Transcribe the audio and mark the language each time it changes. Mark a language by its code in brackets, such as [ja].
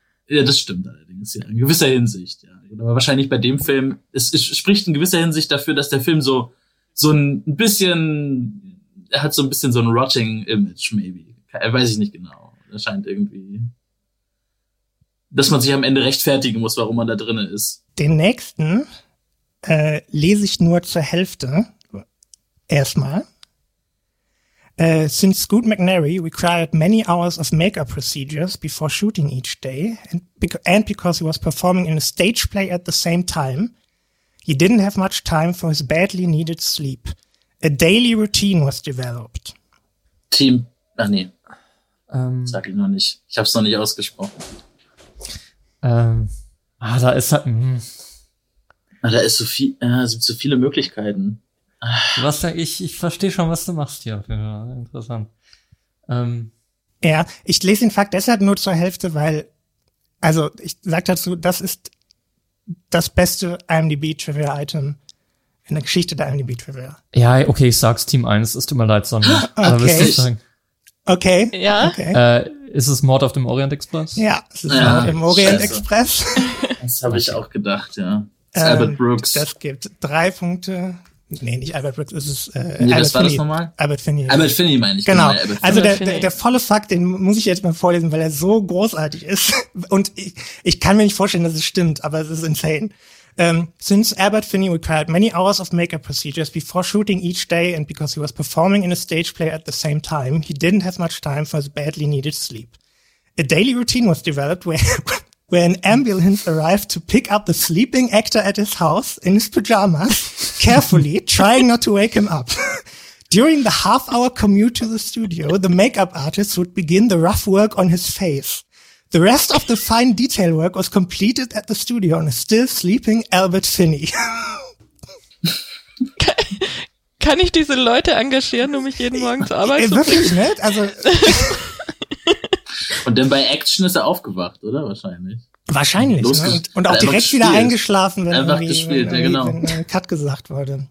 [de] Ja, das stimmt allerdings, ja. In gewisser Hinsicht, ja. Aber wahrscheinlich bei dem Film, es spricht in gewisser Hinsicht dafür, dass der Film so ein bisschen, er hat so ein bisschen so ein rotting Image, maybe. Weiß ich nicht genau. Er scheint irgendwie, dass man sich am Ende rechtfertigen muss, warum man da drinnen ist. Den nächsten lese ich nur zur Hälfte. Erstmal. [en] Since Scoot McNairy required many hours of makeup procedures before shooting each day, and because he was performing in a stage play at the same time, he didn't have much time for his badly needed sleep. A daily routine was developed. [de] Team, ach nee, sag ich noch nicht. Ich hab's noch nicht ausgesprochen. Da ist so viel, sind so viele Möglichkeiten. Was sag ich? Ich verstehe schon, was du machst hier. Ja, interessant. Ja, ich lese den Fakt deshalb nur zur Hälfte, weil, also ich sag dazu, das ist das beste IMDb-Trivia-Item in der Geschichte der IMDb-Trivia. Ja, okay, ich sag's Team 1, es tut mir leid, Sonja. Okay. Aber willst du sagen? Okay. Ja. Okay. Ist es Mord auf dem Orient Express? Ja, es ist Mord im Orient Express. Das habe ich auch gedacht, ja. Albert Brooks. Das gibt 3 Punkte. Nee, nicht Albert Brooks, es ist Albert Finney. Das nochmal? Albert Finney. Albert Finney meine ich. Genau, also der volle Fakt, den muss ich jetzt mal vorlesen, weil er so großartig ist. Und ich kann mir nicht vorstellen, dass es stimmt, aber es ist insane. [en] Since Albert Finney required many hours of makeup procedures before shooting each day and because he was performing in a stage play at the same time, he didn't have much time for his badly needed sleep. A daily routine was developed where an ambulance arrived to pick up the sleeping actor at his house in his pajamas, carefully trying not to wake him up. During the half-hour commute to the studio, the makeup artist would begin the rough work on his face. The rest of the fine detail work was completed at the studio on a still-sleeping Albert Finney. [de] Kann ich diese Leute engagieren, um mich jeden Morgen zur Arbeit zu bringen? Wirklich, nicht? Also... Und dann bei Action ist er aufgewacht, oder? Wahrscheinlich. Wahrscheinlich. Und auch direkt wieder eingeschlafen, wenn einfach gespielt, ja, genau. Wenn ein Cut gesagt wurde.